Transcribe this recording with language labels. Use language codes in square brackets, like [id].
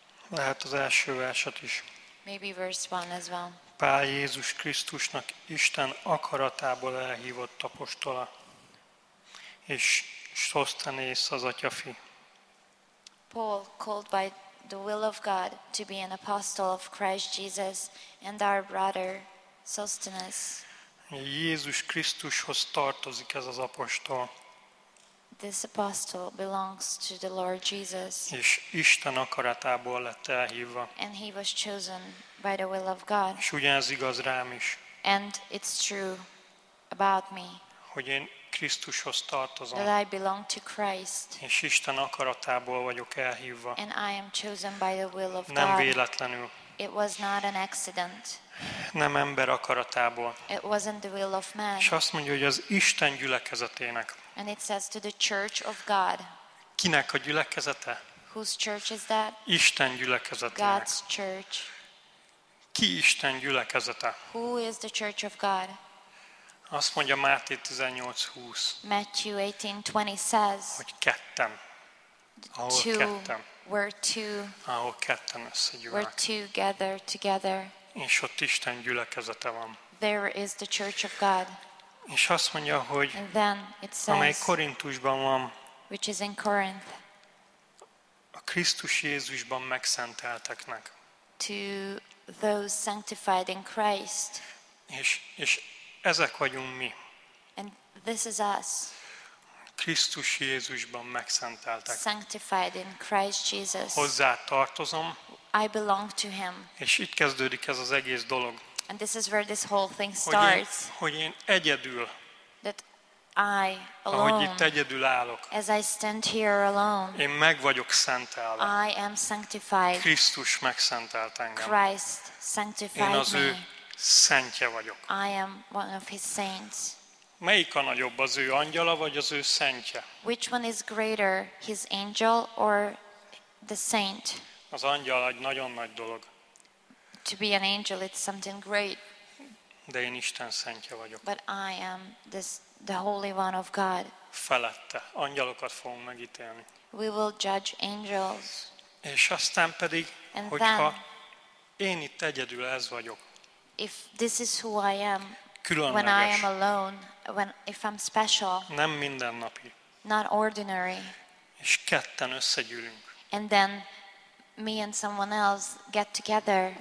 [hu] Lehet az első verset is. [en] Maybe verse 1 as well. [hu] Pál Jézus Krisztusnak Isten akaratából elhívott apostola, és Sosztenész az atyafi. [en] Paul called by the will of God to be an apostle of Christ Jesus and our brother Sosthenes. [hu] Jézus Krisztushoz tartozik ez az apostol. [en] This apostle belongs to the Lord Jesus. [hu] És Isten akaratából lett elhívva. [en] And he was chosen by the will of God. [hu] És ugyanez igaz rám is. [en] And it's true about me. [hu] Hogy én Krisztushoz tartozom. [en] That I belong to Christ. [hu] És Isten akaratából vagyok elhívva. [en] And I am chosen by the will of God. [hu] Nem véletlenül. [en] It was not an accident. [hu] Nem ember akaratából. [en] It wasn't the will of man. [hu] És azt mondja, hogy az Isten gyülekezetének. [en] And it says to the church of God. [hu] Kinek a gyülekezete? [en] Whose church is that? [hu] Isten gyülekezetének. [en] God's church. [hu] Ki Isten gyülekezete? [en] Who is the church of God? [hu] Azt mondja Máté 18:20. [en] Matthew 18:20 says. [hu] Hogy ketten. Ahol [en] two, [hu] ketten. [en] Where two. [hu] Ahol ketten összegyűlnek. [en] Where two gather together. [hu] És ott Isten gyülekezete van. [en] There is the church of God. [hu] És azt mondja, hogy [en] says, [hu] amely Korintusban van, [en] which is in Corinth, [hu] a Krisztus Jézusban megszentelteknek. [en] To those sanctified in Christ. [hu] És ezek vagyunk mi. [en] And this is us. [hu] Krisztus Jézusban megszenteltek. [en] Sanctified in Christ Jesus. [hu] Hozzá tartozom. [en] I belong to him. [hu] És itt kezdődik ez az egész dolog. [en] And this is where this whole thing starts. [hu] Hogy én egyedül. [en] That I alone. [hu] Ahogy itt egyedül állok. [en] As I stand here alone. [hu] Én meg vagyok szentelve. [en] I am sanctified. [hu] Krisztus megszentelt engem. [en] Christ sanctified [hu] me. Én az ő szentje vagyok. [en] I am one of his saints. [hu] Melyik a nagyobb, az ő angyala vagy az ő szentje? [en] Which one is greater, his angel or the saint? [hu] Az angyal egy nagyon nagy dolog. [en] To be an angel, it's something great. [hu] De én Isten szentje vagyok. [en] But I am this, the holy one of God. [hu] Felette, angyalokat fogunk megítélni. [en] We will judge angels. [hu] És aztán pedig, [en] and [hu] hogyha [en] then, [hu] én itt egyedül ez vagyok. [en] If this is who I am. [hu] Különleges. [en] When I am alone, when if I'm special. [hu] Nem mindennapi. [en] Not ordinary. [hu] És ketten összegyűlünk. [en] And then me and someone else get together.